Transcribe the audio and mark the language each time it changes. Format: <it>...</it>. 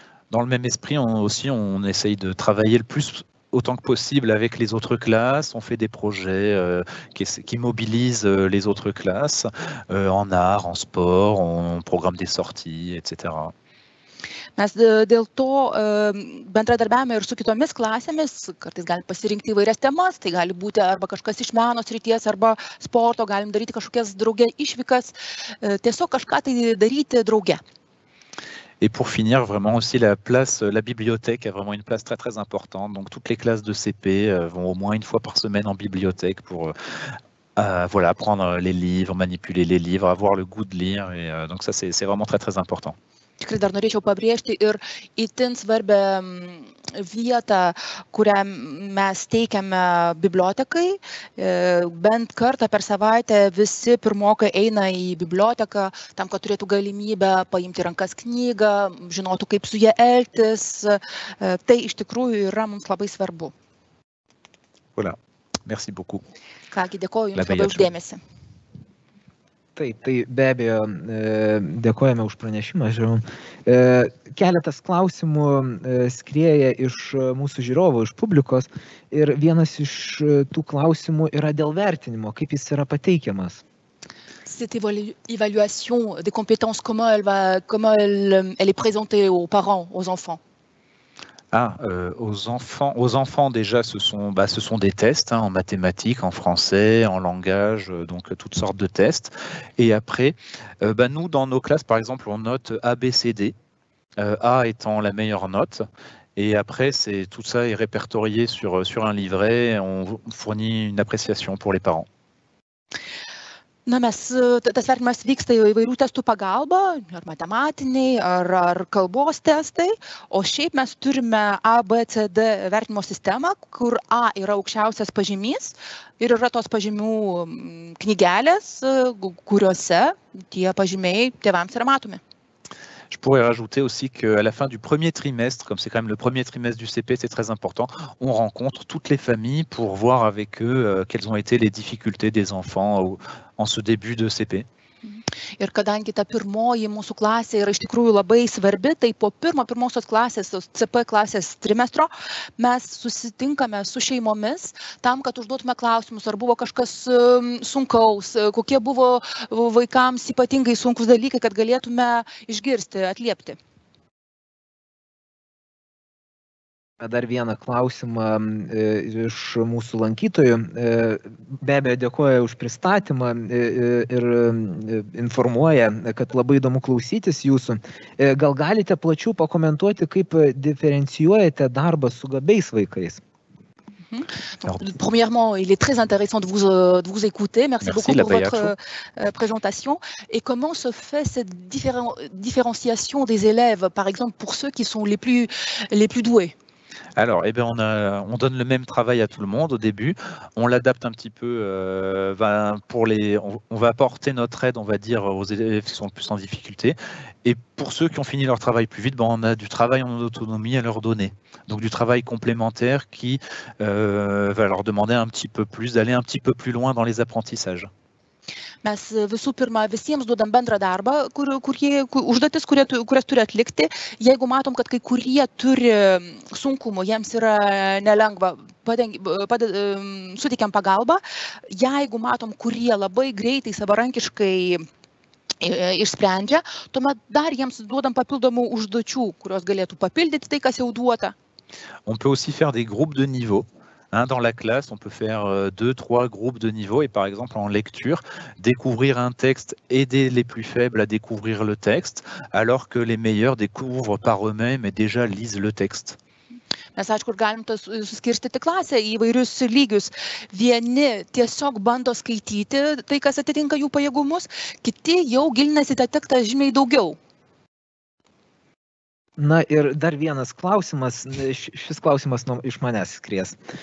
<fr>Dans le même esprit, on essaye de travailler le plus autant que possible avec les autres classes. On fait des projets qui mobilisent les autres classes en art, en sport, on programme des sorties, etc.</fr> <lt>Mes dėl to bendradarbiavome ir su kitomis klasėmis, kartais galime pasirinkti įvairias temas, tai gali būti arba kažkas iš meno srities, arba sporto, galim daryti kažkokias drauge išvykas, tiesiog kažką tai daryti drauge.</lt> <fr>Et pour finir, vraiment aussi la place, la bibliothèque a vraiment une place très très importante. Donc toutes les classes de CP vont au moins une fois par semaine en bibliothèque pour voilà, apprendre les livres, manipuler les livres, avoir le goût de lire. Et, donc ça, c'est vraiment très très important.</fr> <lt>Tikrai dar norėčiau pabrėžti ir itin svarbią vietą, kurią mes teikiame bibliotekai. Bent kartą per savaitę visi pirmokai eina į biblioteką tam, kad turėtų galimybę paimti rankas knygą, žinotų, kaip su ja elgtis. Tai iš tikrųjų yra mums labai svarbu.</lt> <fr>Voilà. Merci beaucoup.</fr> <lt>Kągi, dėkoju Jums labai už dėmesį. Taip, tai be abejo, dėkojame už pranešimą. Keletas klausimų skrieja iš mūsų žiūrovų, iš publikos. Ir vienas iš tų klausimų yra dėl vertinimo, kaip jis yra pateikiamas.</lt> <fr>Cette évaluation des compétences, comment elle est présentée aux parents, aux enfants? Ah, aux enfants déjà, ce sont des tests hein, en mathématiques, en français, en langage, donc toutes sortes de tests. Et après, nous, dans nos classes, par exemple, on note A, B, C, D, A étant la meilleure note. Et après, tout ça est répertorié sur un livret, on fournit une appréciation pour les parents.</fr> <lt>Na, mes, tas vertinimas vyksta įvairių testų pagalba, ar matematiniai, ar kalbos testai, o šiaip mes turime A, B, C, D vertinimo sistemą, kur A yra aukščiausias pažymys ir yra tos pažymių knygelės, kuriuose tie pažymiai tėvams yra matomi.</lt> <fr>Je pourrais rajouter aussi qu'à la fin du premier trimestre, comme c'est quand même le premier trimestre du CP, c'est très important, on rencontre toutes les familles pour voir avec eux quelles ont été les difficultés des enfants en ce début de CP.</fr> <lt>Ir kadangi ta pirmoji mūsų klasė yra iš tikrųjų labai svarbi, tai po pirmosios klasės, CP klasės trimestro, mes susitinkame su šeimomis tam, kad užduotume klausimus, ar buvo kažkas sunkaus, kokie buvo vaikams ypatingai sunkus dalykai, kad galėtume išgirsti, atliepti. Dar vieną klausimą iš mūsų lankytojų. Be abejo, dėkoja už pristatymą ir informuoja, kad labai įdomu klausytis jūsų. Gal galite plačiau pakomentuoti, kaip diferencijuojate darbą su gabiais vaikais?</lt> <fr>Donc, premièrement, il est très intéressant de vous écouter. Merci, merci beaucoup pour votre présentation. Et comment se fait cette différenciation des élèves, par exemple, pour ceux qui sont les plus doués? Alors, eh bien, on donne le même travail à tout le monde au début. On l'adapte un petit peu, on va apporter notre aide, on va dire, aux élèves qui sont le plus en difficulté. Et pour ceux qui ont fini leur travail plus vite, on a du travail en autonomie à leur donner. Donc du travail complémentaire qui va leur demander un petit peu plus, d'aller un petit peu plus loin dans les apprentissages.</fr> <lt>Mes visų pirma visiems duodam bendrą darbą, užduotis, kurias turi atlikti. Jeigu matom, kad kai kurie turi sunkumų, jiems yra nelengva, suteikiam pagalbą. Jeigu matom, kurie labai greitai, savarankiškai išsprendžia, tuomet dar jiems duodam papildomų užduočių, kurios galėtų papildyti tai, kas jau duota.</lt> <fr>On peut aussi faire des groupes de niveau. Dans la classe, on peut faire 2-3 groupes de niveau et par exemple en lecture, découvrir un texte, aider les plus faibles à découvrir le texte, alors que les meilleurs découvrent par eux-mêmes et déjà lisent le texte.</fr> <lt>Mes, aišku, galim suskirstyti klasę į įvairius lygius. Vieni tiesiog bando skaityti tai, kas atitinka jų pajėgumus, kiti jau gilinasi tą tekstą žymiai daugiau. Na ir dar vienas klausimas, šis klausimas iš manęs skries.</lt>